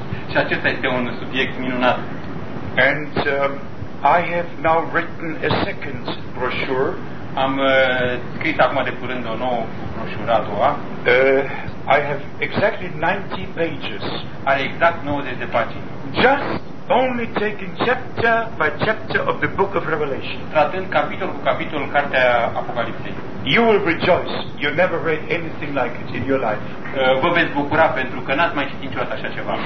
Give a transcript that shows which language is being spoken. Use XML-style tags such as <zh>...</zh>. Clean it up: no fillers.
<ro>Și acesta este un subiect minunat.</ro> <en>And I have now written a second brochure.</en> <ro>Am scris acum de curând o nouă broșură a doua.</ro> <en>I have exactly 90 pages.</en> <ro>Are exact 90 de pagini.</ro> <en>Just only taking chapter by chapter of the book of Revelation.</en> <ro>Tratând capitol cu capitol în cartea Apocalipsei.</ro> <en>You will rejoice. You never read anything like it in your life.</en> <ro>Vă veți bucura pentru că n-ați mai citit niciodată așa ceva.</ro>